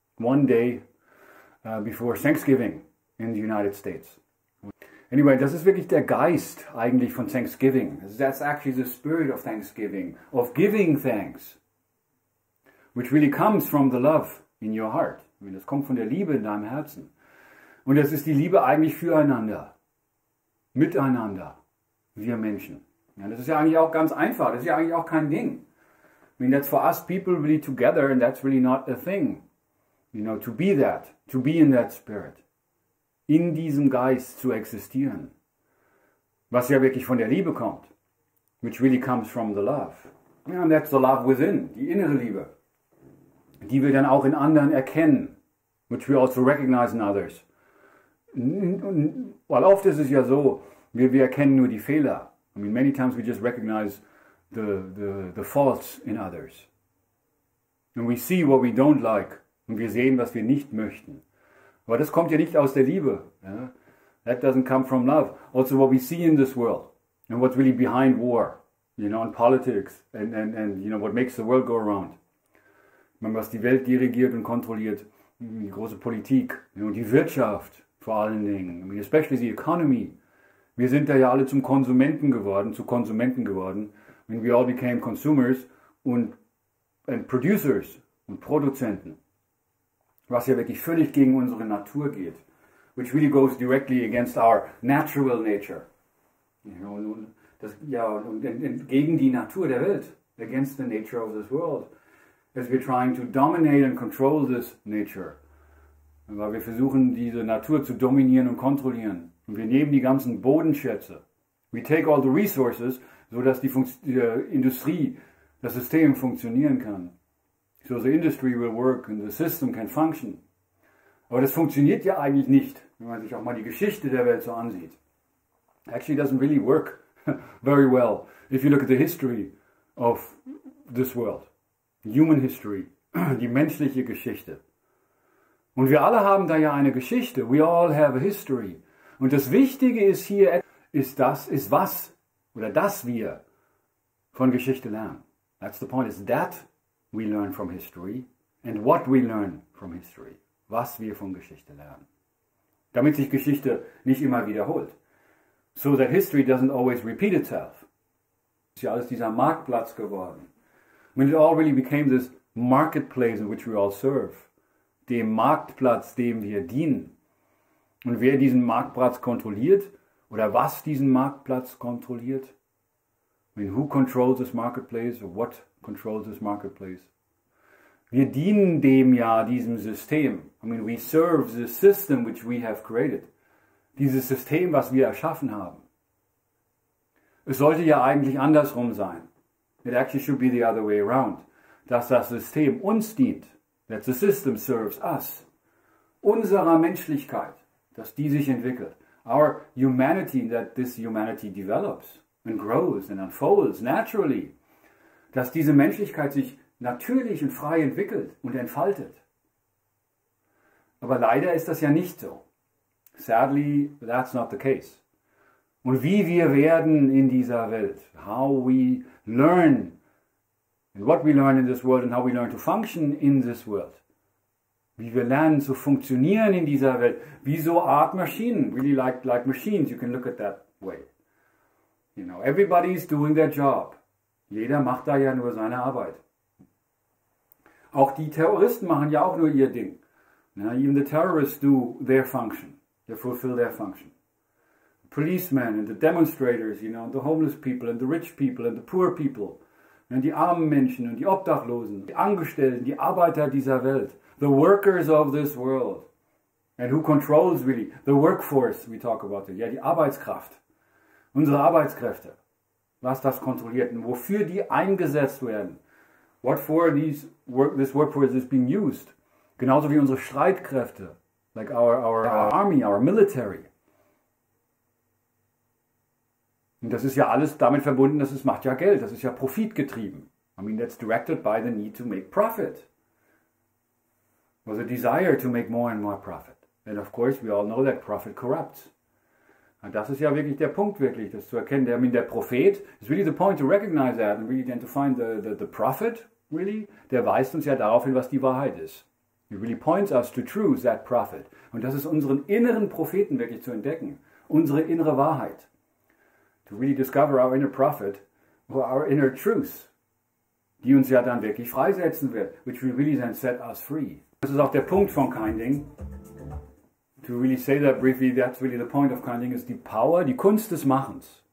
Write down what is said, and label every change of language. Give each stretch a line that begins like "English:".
English: One day before Thanksgiving in the United States.
German: Anyway, das ist wirklich der Geist eigentlich von Thanksgiving.
English: That's actually the spirit of Thanksgiving, of giving thanks, which really comes from the love in your heart.
German: I mean, das kommt von der Liebe in deinem Herzen. Und das ist die Liebe eigentlich füreinander, miteinander, wir Menschen. Ja, das ist ja eigentlich auch ganz einfach, das ist ja eigentlich auch kein Ding.
English: I mean, that's for us people really together and that's really not a thing. You know, to be in that spirit,
German: in diesem Geist zu existieren, was ja wirklich von der Liebe kommt,
English: which really comes from the love. Yeah, and that's the love within,
German: die innere Liebe, die wir dann auch in anderen erkennen,
English: which we also recognize in others.
German: Weil oft ist es ja so, wir erkennen nur die Fehler.
English: I mean, many times we just recognize the faults in others. And we see what we don't like.
German: Und wir sehen, was wir nicht möchten. Aber das kommt ja nicht aus der Liebe.
English: Yeah? That doesn't come from love. Also what we see in this world. And what's really behind war. You know, and politics. And you know, what makes the world go around.
German: Was die Welt dirigiert und kontrolliert. Die große Politik. You know, die Wirtschaft. Vor allen Dingen,
English: I mean, especially the economy.
German: Wir sind da ja alle zum Konsumenten geworden, zu Konsumenten geworden.
English: I mean, we all became consumers and producers
German: und Produzenten. Was ja wirklich völlig gegen unsere Natur geht.
English: Which really goes directly against our natural nature. You know,
German: das, ja, und gegen die Natur der Welt.
English: Against the nature of this world. As we're trying to dominate and control this nature.
German: Weil wir versuchen, diese Natur zu dominieren und kontrollieren. Und wir nehmen die ganzen Bodenschätze.
English: We take all the resources,
German: sodass die Industrie, das System funktionieren kann.
English: So the industry will work and the system can function.
German: Aber das funktioniert ja eigentlich nicht, wenn man sich auch mal die Geschichte der Welt so ansieht.
English: Actually doesn't really work very well, if you look at the history of this world. Human history,
German: die menschliche Geschichte. Und wir alle haben da ja eine Geschichte.
English: We all have a history.
German: Und das Wichtige ist hier, ist was oder dass wir von Geschichte lernen.
English: That's the point, is that we learn from history and what we learn from history.
German: Was wir von Geschichte lernen. Damit sich Geschichte nicht immer wiederholt.
English: So that history doesn't always repeat itself.
German: Ist ja alles dieser Marktplatz geworden.
English: When it all really became this marketplace in which we all serve.
German: Dem Marktplatz, dem wir dienen. Und wer diesen Marktplatz kontrolliert oder was diesen Marktplatz kontrolliert?
English: I mean, who controls this marketplace or what controls this marketplace?
German: Wir dienen dem ja, diesem System.
English: I mean, we serve the system which we have created.
German: Dieses System, was wir erschaffen haben. Es sollte ja eigentlich andersrum sein.
English: It actually should be the other way around.
German: Dass das System uns dient.
English: That the system serves us,
German: unserer Menschlichkeit, dass die sich entwickelt.
English: Our humanity, that this humanity develops and grows and unfolds naturally.
German: Dass diese Menschlichkeit sich natürlich und frei entwickelt und entfaltet. Aber leider ist das ja nicht so.
English: Sadly, that's not the case.
German: Und wie wir werden in dieser Welt,
English: how we learn. And what we learn in this world and how we learn to function in this world.
German: Wie wir lernen zu funktionieren in dieser Welt. Wie so Art Maschinen.
English: Really like machines. You can look at that way. You know, everybody is doing their job.
German: Jeder macht da ja nur seine Arbeit. Auch die Terroristen machen ja auch nur ihr Ding.
English: Even the terrorists do their function. They fulfill their function. The policemen and the demonstrators, you know, and the homeless people and the rich people and the poor people.
German: Die armen Menschen und die Obdachlosen, die Angestellten, die Arbeiter dieser Welt.
English: The workers of this world. And who controls really the workforce, we talk about it.
German: Ja, die Arbeitskraft. Unsere Arbeitskräfte. Was das kontrolliert und wofür die eingesetzt werden.
English: What for this workforce is being used.
German: Genauso wie unsere Streitkräfte.
English: Like our army, our military.
German: Und das ist ja alles damit verbunden, dass es macht ja Geld, das ist ja profitgetrieben.
English: I mean, that's directed by the need to make profit. Or the desire to make more and more profit. And of course, we all know that prophet corrupts.
German: Und das ist ja wirklich der Punkt, wirklich, das zu erkennen.
English: I mean, der Prophet, it's really the point to recognize that and really then to find the prophet, really,
German: der weist uns ja darauf hin, was die Wahrheit ist.
English: He really points us to truth, that prophet.
German: Und das ist unseren inneren Propheten wirklich zu entdecken. Unsere innere Wahrheit.
English: To really discover our inner prophet or our inner truth.
German: Die uns ja dann wirklich freisetzen wird.
English: Which will really then set us free.
German: Das ist auch der Punkt von Kinding.
English: To really say that briefly, that's really the point of Kinding, is the power,
German: die Kunst des Machens.